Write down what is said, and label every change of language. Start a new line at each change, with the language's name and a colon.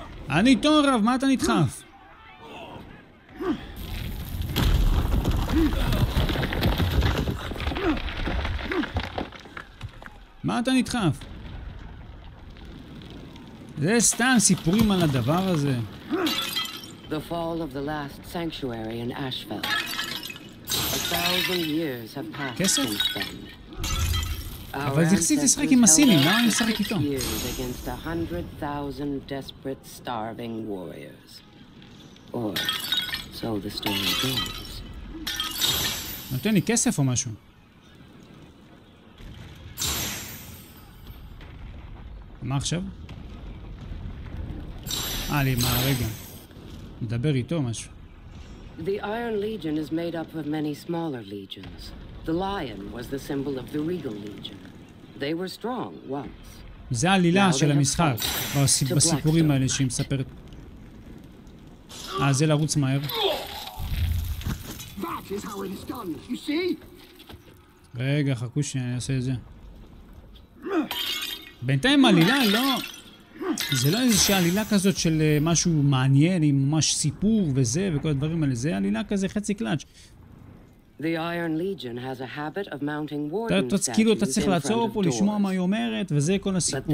Hebrew: אני איתו, רב, מה אתה נדחף? מה אתה נדחף? זה סתם סיפורים על הדבר הזה.
English: The fall of the last sanctuary in Ashfeld. A thousand years have passed since then.
Hebrew: אבל זכסית לשחק עם הסינים, מה אני משחק איתו?
English: Against 100,000 desperate starving warriors. Or so the story goes.
Hebrew: נותן לי כסף או משהו? מה עכשיו? מה רגע? מדבר איתו משהו.
English: The Iron Legion is made up of many smaller legions. The lion was the symbol of the regal legion. They were strong once.
Hebrew: זה העלילה של המשחק, בסיפורים האלה שהיא מספרת. זה לרוץ מהר.
English: That is how it is done, you see?
Hebrew: רגע, חכו שאני אעשה את זה. בינתיים עלילה, לא, זה לא איזושהי עלילה כזאת של משהו מעניין עם ממש סיפור וזה וכל הדברים האלה, זה עלילה כזה חצי קלאץ'.
English: The Iron Legion has a habit of mounting warden statues in front of doors.
Hebrew: אתה צריך לעצור פה לשמוע מה היא אומרת וזה כל הסיפור.